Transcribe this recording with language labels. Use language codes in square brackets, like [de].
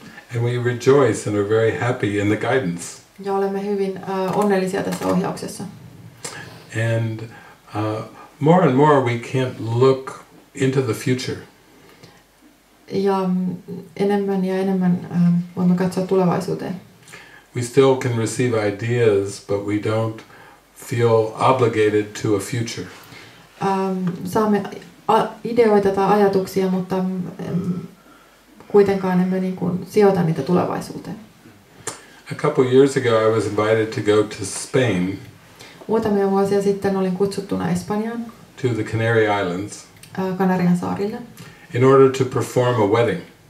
[en] And we rejoice and are very happy in the guidance. [fi] Ja olemme hyvin onnellisia tässä ohjauksessa. [en] And more and more we can't look into the future. [fi] Ja enemmän ja enemmän voimme katsoa tulevaisuuteen. [en] We still can receive ideas, but we don't feel obligated to a future. [fi] Saamme ideoita tai ajatuksia, mutta kuitenkaan emme niin kuin sijoita niitä tulevaisuuteen. [en] A couple years ago I was invited to go to Spain. [fi] Muutamia vuosia sitten olin kutsuttuna Espanjaan. [en] To the Canary Islands. [fi] Kanarian saarille. [en] In order to perform a wedding.